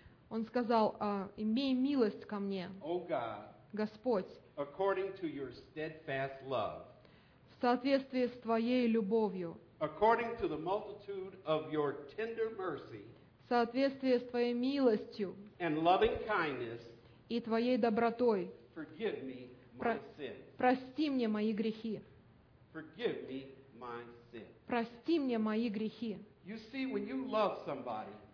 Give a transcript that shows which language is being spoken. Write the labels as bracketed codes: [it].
[ru] Он сказал, имей милость ко мне, [en] O God, [ru] Господь, [en] according to your steadfast love, [ru] в соответствии с Твоей любовью, [en] according to the multitude of your tender mercy, [ru] в соответствии с твоей милостью [en] and loving kindness, [ru] и твоей добротой, [en] forgive me my sin. [ru] Прости мне мои грехи. [en] Forgive me my sin. [ru] Прости мне мои грехи. [en] You see, when you love somebody,